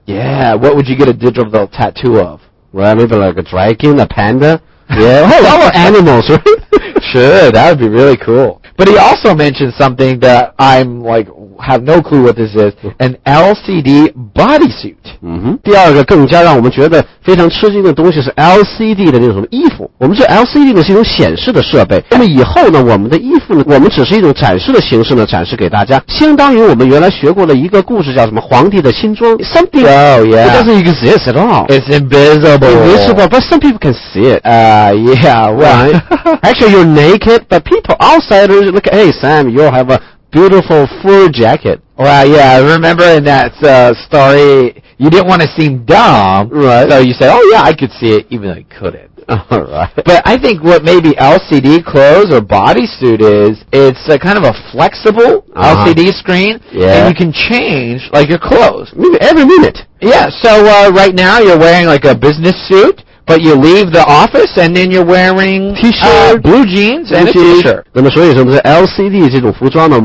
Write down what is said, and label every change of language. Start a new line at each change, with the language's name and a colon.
English: Yeah, what would you get a digital tattoo of? Well, maybe like a dragon, a panda. Yeah, oh, all animals, right? Sure, that would be really cool. But he also mentioned something that I'm like... have no clue what this is, an LCD bodysuit.
Chinese: 第二个更加让我们觉得非常吃惊的东西是 LCD 的那种衣服。我们知道 LCD 呢是一种显示的设备，那么以后呢，我们的衣服呢，我们只是一种展示的形式呢，展示给大家，相当于我们原来学过的一个故事叫什么皇帝的新装。
English: Something it doesn't exist at all. It's invisible. But some people can see it. Actually, you're naked, but people outsiders look, hey Sam, you have aabeautiful fur jacket. Well, yeah, I remember in that story, you didn't want to seem dumb. Right. So you said, oh yeah, I could see it, even though I couldn't. All right. But I think what maybe LCD clothes or bodysuit is, it's a kind of a flexible LCD screen. Yeah. And you can change, like, your clothes. Maybe every minute. Yeah, so right now you're wearing, like, a business suit. But you leave the office and then you're wearing T-shirt, blue jeans and a T-shirt.
Chinese: 那么所以什么是 LCD 这种服装呢？